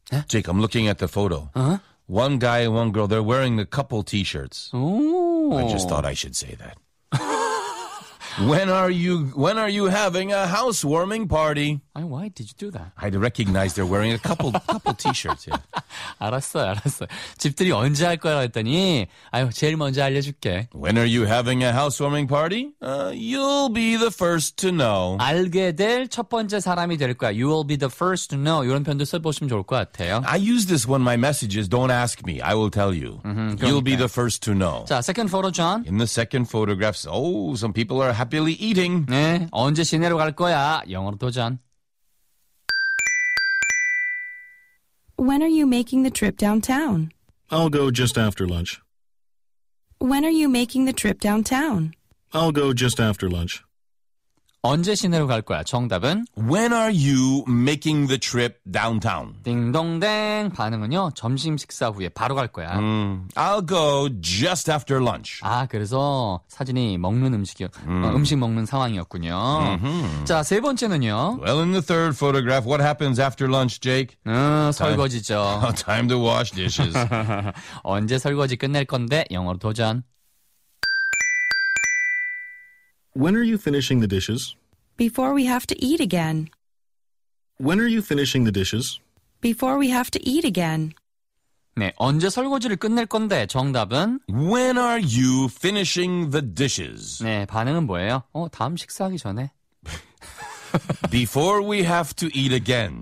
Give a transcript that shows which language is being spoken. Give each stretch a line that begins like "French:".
English: Jake, I'm looking at the photo. Uh-huh. One guy and one girl, they're wearing the couple t-shirts. Ooh. I just thought I should say that. When are you having a housewarming party? Why did you do that? I'd recognize they're wearing a couple t-shirts. Yeah.
Korean: 알았어요. 집들이 언제 할 거라고 했더니 아유, 제일 먼저 알려줄게.
English: When are you having a housewarming party? You'll be the first to know.
Korean: 알게 될 첫 번째 사람이 될 거야.
English: You will be the first to know.
Korean: 이런 표현도 써보시면 좋을 것 같아요.
English: I use this when my messages don't ask me. I will tell you. You'll be the first to know. 자, second photo, John. In the second photograph, some people are happily eating.
Korean: 네, 언제 시내로 갈 거야? 영어로 도전.
English: When are you making the trip downtown? I'll go just after lunch. When are you making the trip downtown? I'll go just after lunch.
Korean: 언제 시내로 갈 거야? 정답은?
English: When are you making the trip downtown?
Korean: 딩동댕. 반응은요? 점심 식사 후에 바로 갈 거야.
English: I'll go just after lunch.
Korean: 아, 그래서 사진이 먹는 음식이 음식 먹는 상황이었군요. Mm-hmm. 자, 세 번째는요?
English: Well, in the third photograph, what happens after lunch, Jake?
Korean: 설거지죠.
English: Time to wash dishes.
Korean: 언제 설거지 끝낼 건데? 영어로 도전.
English: When are you finishing the dishes? Before we have to eat again. When are you finishing the dishes? Before we have to eat again.
Korean: 네, 언제 설거지를 끝낼 건데 정답은?
English: When are you finishing the dishes?
Korean: 네, 반응은 뭐예요? 다음 식사하기 전에.
English: Before we have to eat again.